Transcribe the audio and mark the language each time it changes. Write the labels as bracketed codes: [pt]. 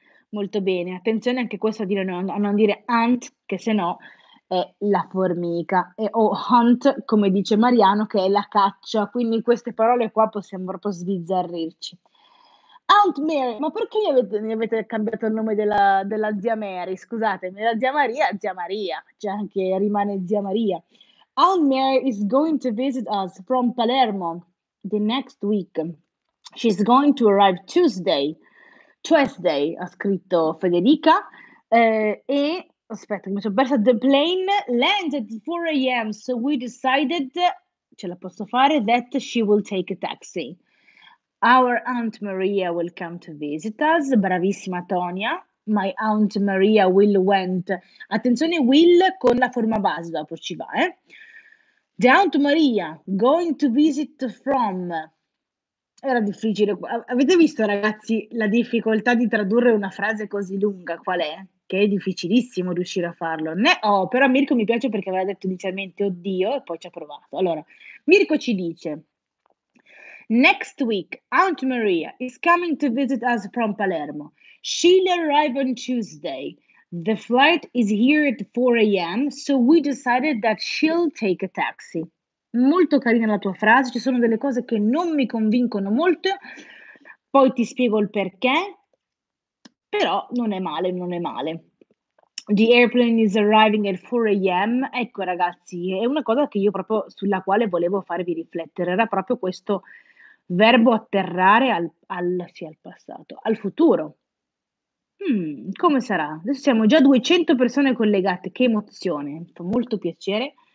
[it] Molto bene, attenzione anche questo a dire no, a non dire aunt, che se no è la formica, o hunt, come dice Mariano, che è la caccia. Quindi queste parole qua possiamo proprio sbizzarrirci. Aunt Mary, ma perché mi avete cambiato il nome della zia Mary? Scusatemi, la zia Maria, zia Maria, c'è cioè anche rimane zia Maria. [en] Aunt Mary is going to visit us from Palermo the next week. She's going to arrive Tuesday. [it] Tuesday, ha scritto Federica, e aspetta, mi sono persa. [en] The plane landed at 4 a.m., so we decided, [it] ce la posso fare, [en] that she will take a taxi. Our Aunt Maria will come to visit us. [it] Bravissima [en] Tonia. My Aunt Maria will went. [it] Attenzione, will con la forma base, dopo ci va, eh? [en] The Aunt Maria going to visit from. [it] Era difficile. Avete visto, ragazzi, la difficoltà di tradurre una frase così lunga? Qual è? Che è difficilissimo riuscire a farlo. Ne ho, però Mirko mi piace perché aveva detto inizialmente oddio e poi ci ha provato. Allora, Mirko ci dice: [en] Next week, Aunt Maria is coming to visit us from Palermo. She'll arrive on Tuesday. The flight is here at 4 a.m., so we decided that she'll take a taxi. [it] Molto carina la tua frase, ci sono delle cose che non mi convincono molto, poi ti spiego il perché, però non è male, non è male. [en] The airplane is arriving at 4 a.m. [it] Ecco ragazzi, è una cosa che io proprio sulla quale volevo farvi riflettere, era proprio questo verbo atterrare sia al passato, al futuro. Come sarà? Adesso siamo già 200 persone collegate, che emozione, mi fa molto piacere.